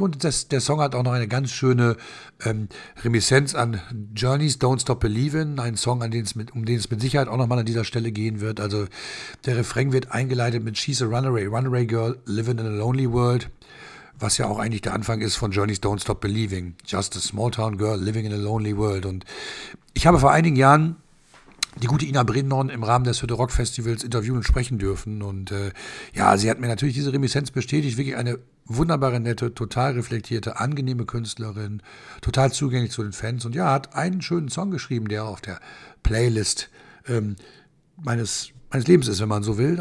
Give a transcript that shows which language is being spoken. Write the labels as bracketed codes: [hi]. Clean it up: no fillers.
[de] Und der Song hat auch noch eine ganz schöne Reminiszenz an Journey's Don't Stop Believin', ein Song, um den es mit Sicherheit auch nochmal an dieser Stelle gehen wird. Also der Refrain wird eingeleitet mit [en] She's a Runaway, Runaway Girl, Living in a Lonely World, [de] was ja auch eigentlich der Anfang ist von Journey's Don't Stop Believing. [en] Just a small town girl living in a lonely world. [de] Und ich habe vor einigen Jahren die gute Ina Brennhorn im Rahmen des Hütte Rock Festivals interviewen und sprechen dürfen. Und ja, sie hat mir natürlich diese Reminiszenz bestätigt. Wirklich eine wunderbare, nette, total reflektierte, angenehme Künstlerin. Total zugänglich zu den Fans. Und ja, hat einen schönen Song geschrieben, der auf der Playlist meines Lebens ist, wenn man so will.